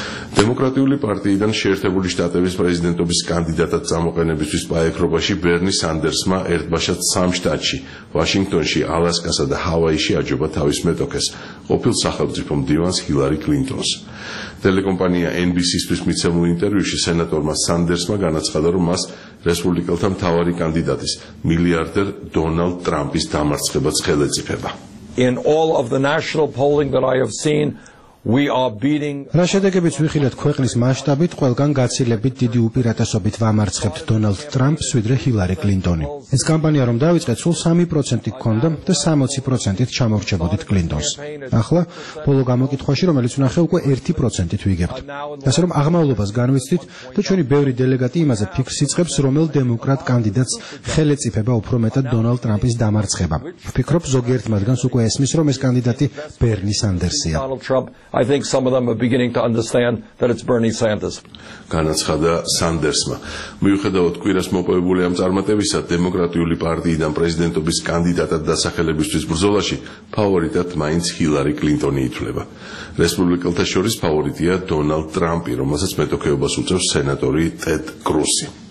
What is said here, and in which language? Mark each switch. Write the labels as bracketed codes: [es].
[ka] დემოკრატიული პარტიიდან შეერთებული შტატების პრეზიდენტობის კანდიდატად წამოყენებისთვის პაექრობაში ბერნი სანდერსმა ერთბაშად სამ შტატში, ვაშინგტონში, ალასკასა და ჰავაიში აჯობა თავის მეტოქეს, ყოფილ სახელმწიფო მდივანს ჰილარი კლინტონს. ტელეკომპანია NBC-სთვის მიცემულ ინტერვიუში სენატორმა სანდერსმა განაცხადა, რომ მას რესპუბლიკელთა მთავარი კანდიდატის, მილიარდერ დონალდ ტრამპის დამარცხებაც ხელეწიფება. [en] In all of the national polling that I have seen, we are beating [ka] რა შედეგებიც ვიხილეთ ქვეყნის მასშტაბით, ყველგან გაცილებით დიდი უპირატესობით ვამარცხებთ დონალდ ტრამპს ვიდრე ჰილარი კლინტონი. ეს კამპანია რომ დაიწყეთ, სულ 3% გქონდა და 60%-ით ჩამორჩებოდით კლინტონს. ახლა ბოლო გამოკითხვაში, რომელიც ვნახე, უკვე 1%-ით ვიგებთ. ასე რომ აღმავლობას განვიცდით და ჩვენი ბევრი დელეგატი იმაზე ფიქრს იწყებს, რომელ დემოკრატ კანდიდატს ხელეწიფება უფრო მეტად დონალდ ტრამპის დამარცხება. ვფიქრობ ზოგიერთ მათგანს უკვე ესმის, რომ ეს კანდიდატი ბერნი სანდერსია. [en] I think some of them are beginning to understand that it's Bernie Sanders. [ka] განაცხადა სანდერსმა. მიუხედავად კვირას მოპოვებული ამ წარმატებისა, დემოკრატიული პარტიიდან პრეზიდენტობის კანდიდატად დასახელებისთვის ბრძოლაში ფავორიტად მაინც ჰილარი კლინტონი ითვლება. რესპუბლიკელთა შორის ფავორიტია დონალდ ტრამპი, რომელსაც მეტოქეობას უწევს სენატორი ტედ კრუსი.